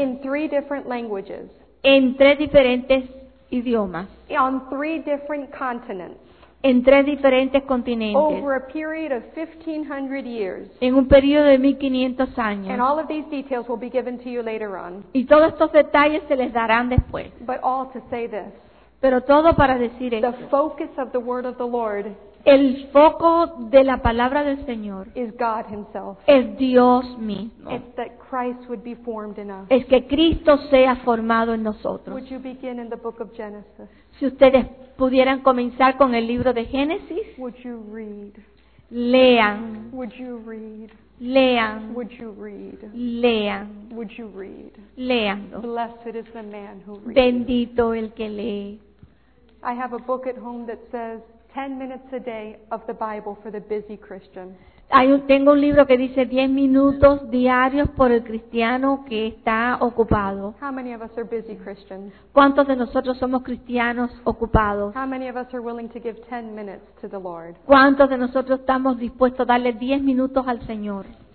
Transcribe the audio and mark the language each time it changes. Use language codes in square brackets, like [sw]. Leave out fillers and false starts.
[en] In three different languages. [es] En tres diferentes idiomas. [en] On three different continents. [es] En tres diferentes continentes. [en] Over a period of 1500 years. [es] En un periodo de 1500 años. [en] And all of these details will be given to you later on. [es] Y todos estos detalles se les darán después. [en] But all to say this. [es] Pero todo para decir esto. [en] The focus of the word of the Lord. [es] El foco de la palabra del Señor [en] is God Himself. [es] Es Dios mismo. [en] It's that Christ would be formed in us. [es] Es que Cristo sea formado en nosotros. [en] Would you begin in the book of Genesis? [es] Si ustedes pudieran comenzar con el libro de Génesis. [en] Would you read? [es] Lean. [en] Would you read? [es] Lean. [en] Would you read? [es] Lean. [en] Would you read? [es] Leando. [en] Blessed is the man who reads. [es] Bendito el que lee. [en] I have a book at home that says 10 minutes a day of the Bible for the busy Christian. [es] Tengo un libro que dice 10 minutos diarios por el cristiano que está ocupado. [en] How many of us are busy Christians? [es] ¿Cuántos de nosotros somos cristianos ocupados? [en] How many of us are willing to give 10 minutes to the Lord? [es] ¿Cuántos de nosotros estamos dispuestos a darle 10 minutos al Señor?